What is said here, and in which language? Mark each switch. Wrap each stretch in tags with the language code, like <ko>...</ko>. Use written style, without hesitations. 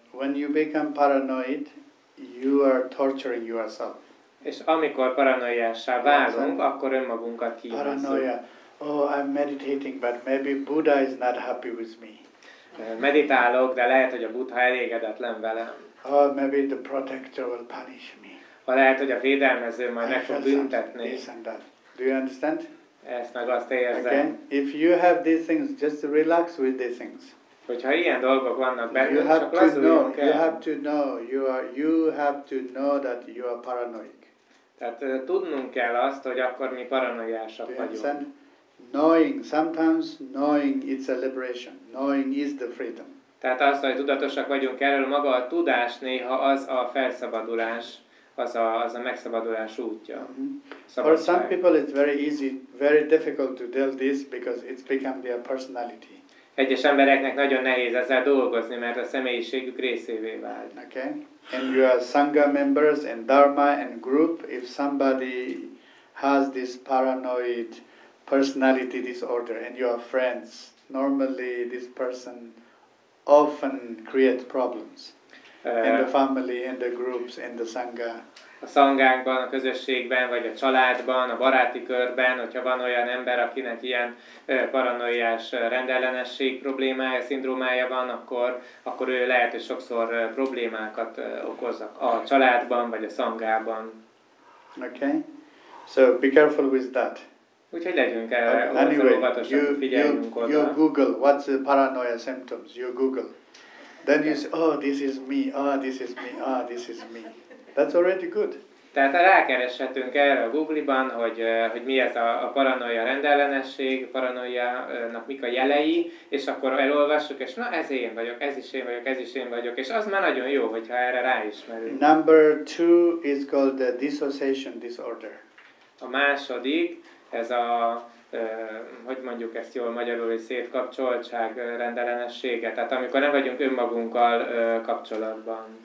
<en>When you become paranoid, you are torturing yourself.</en> <hu>És amikor paranoiássá válunk, akkor önmagunkat kínozzuk.</hu> <en>Paranoia. Oh, I'm meditating, but maybe Buddha is not happy with me.</en> <hu>Meditálok, de lehet, hogy a Buddha elégedetlen velem.</hu> <en>Oh, maybe the protector will punish me.</en> <hu>Ha lehet, hogy a védelmező majd meg fog büntetni.</hu> <en>Do you understand?</en> <hu>Ezt meg azt érzem.</hu> <en>Okay. If you have these things, just relax with these things.</en> <hu>Hogyha ilyen dolgok vannak benne,</hu> <en>you</en> <hu>csak lazuljunk el.</hu> <en>You have to know. You have to know that you are paranoid.</en> <hu>Tehát tudnunk kell azt, hogy akkor mi paranoiásak vagyunk.</hu> <en>Knowing, sometimes knowing it's a liberation. Knowing is the freedom.</en> <hu>Tehát azt, hogy tudatosak vagyunk erről, maga a tudás néha az a felszabadulás. Az a megszabadulás útja. Mm-hmm.</hu> <en>For some people it's very easy, very difficult to deal this because it's become their personality.</en> <hu>Egyes embereknek nagyon nehéz ezzel dolgozni, mert a személyiségük részévé vált.</hu> <en>Okay. And you are sangha members and dharma and group, if somebody has this paranoid personality disorder and you are friends, normally this person often creates problems. In the family, in the groups, in the sangha.</en> <hu>A szangánkban, a közösségben, vagy a családban, a baráti körben, hogyha van olyan ember, akinek ilyen paranoiás rendellenesség problémája, szindrómája van, akkor ő lehet, hogy sokszor problémákat okoz a családban, vagy a szangában.</hu> <en>Okay. So be careful with that.</en> <hu>Úgyhogy legyünk el, óvatosan figyeljünk oda.</hu> <en>You Google, what's the paranoia symptoms? You Google. Then you say, oh, this is me, oh, this is me, oh, this is me. That's already good.</en> <hu>Tehát rákereshetünk erre a Google-ban, hogy mi ez a paranoia rendellenesség, paranoiának mik a jelei, és akkor elolvassuk, és na, ez én vagyok, ez is én vagyok, ez is én vagyok, és az már nagyon jó, hogyha erre ráismerünk.</hu> <en>Number two is called the dissociation disorder.</en> <hu>A második, ez a... hogy mondjuk ezt jól magyarul, hogy szétkapcsoltság rendellenessége. Tehát amikor nem vagyunk önmagunkkal kapcsolatban.</hu>